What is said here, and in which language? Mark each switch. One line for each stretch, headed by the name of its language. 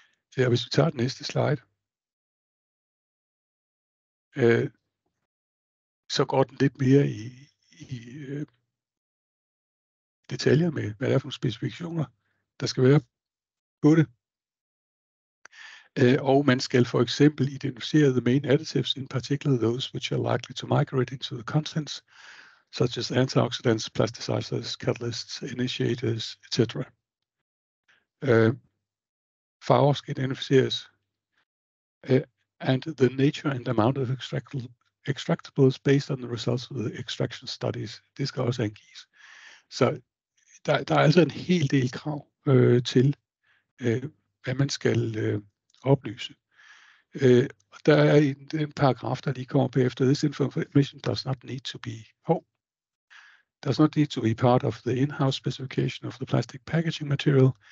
Danish: Så ja, hvis vi tager det næste slide, så går den lidt mere i detaljer med, hvad det er for nogle specifikationer, der skal være på det. Og man skal for eksempel identificere
English: the main additives in particular those which are likely to migrate into the contents, such as antioxidants, plasticizers, catalysts, initiators, etc.
Danish: Farver skal identificeres,
English: and the nature and amount of extractables based on the results of the extraction studies.
Danish: Det skal også angives. Så der er altså en hel del krav til, hvad man skal oplyse. Der er en paragraf, der lige kommer bagefter.
English: This information does not need to be whole. Does not need to be part of the in-house specification of the plastic packaging material.